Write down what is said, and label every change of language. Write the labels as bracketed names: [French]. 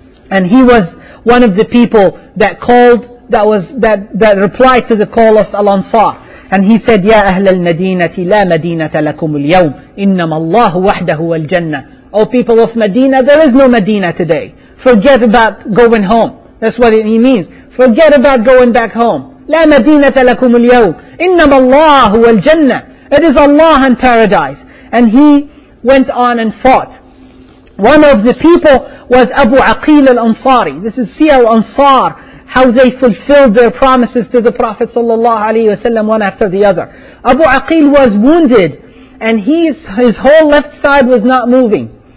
[English] And he was one of the people that called, that replied to the call of Al-Ansar. And he said, [Arabic] Ya أهل المدينة لا مدينة لكم اليوم إنما الله وحده والجنة [English] O people of Medina, there is no Medina today. Forget about going home. That's what he means. Forget about going back home. [Arabic] لا مدينة لكم اليوم إنما الله هو الجنة [English] It is Allah and paradise. And he went on and fought. One of the people was Abu Aqil al-Ansari. This is see how Ansar, how they fulfilled their promises to the Prophet sallallahu alayhi wa sallam one after the other. Abu Aqil was wounded and his whole left side was not moving.